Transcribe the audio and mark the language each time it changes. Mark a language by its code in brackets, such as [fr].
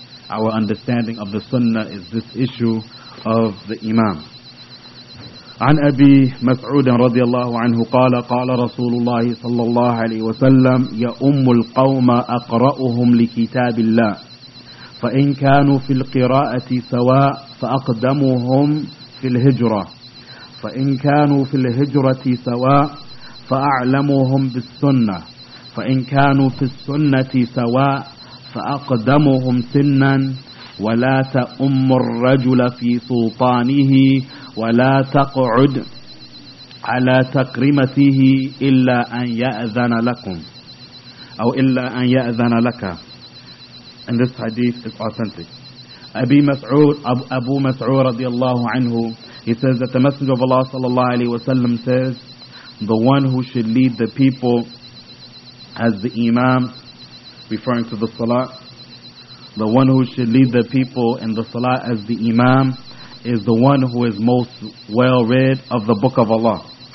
[en] Our understanding of the Sunnah is this issue of the Imam. [ar] عن أبي مسعود رضي الله عنه قال قال رسول الله صلى الله عليه وسلم يا أم القوم أقرأهم لكتاب الله فإن كانوا في القراءة سواء فأقدمهم في الهجرة فإن كانوا في الهجرة سواء فأعلمهم بالسنة فإن كانوا في السنة سواء فأقدمهم سنا ولا تأم الرجل في سلطانه ولا تقعد على تقرمته إلا أن يأذن لكم أو إلا أن يأذن لك [en] And this hadith is authentic. Abu Mas'ud رضي الله عنه He says that the Messenger of Allah صلى الله عليه وسلم says The one who should lead the people as the imam, referring to the salah, the one who should lead the people in the salah as the imam is the one who is most well read of the book of Allah.